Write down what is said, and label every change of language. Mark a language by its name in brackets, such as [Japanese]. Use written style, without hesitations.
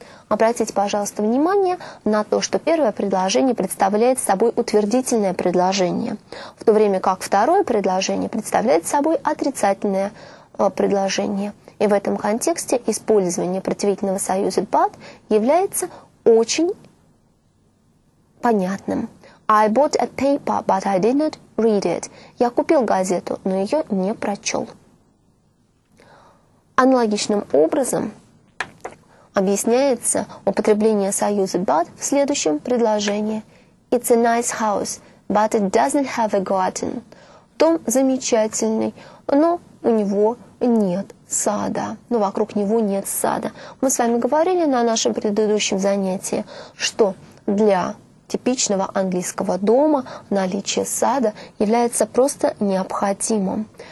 [Russian] Обратите, пожалуйста, внимание на то, что первое предложение представляет собой утвердительное предложение, в то время как второе предложение представляет собой отрицательное предложение. И в этом контексте использование противительного союза but является очень понятным. [English] I bought a paper, but I didn't read it. [Russian] Я купил газету, но ее не прочел. Аналогичным образом объясняется употребление союза but в следующем предложении. [English] It's a nice house, but it doesn't have a garden. [Russian] Дом замечательный, но у него нет сада. Но вокруг него нет сада. Мы с вами говорили на нашем предыдущем занятии, что для типичного английского дома наличие сада является просто необходимым.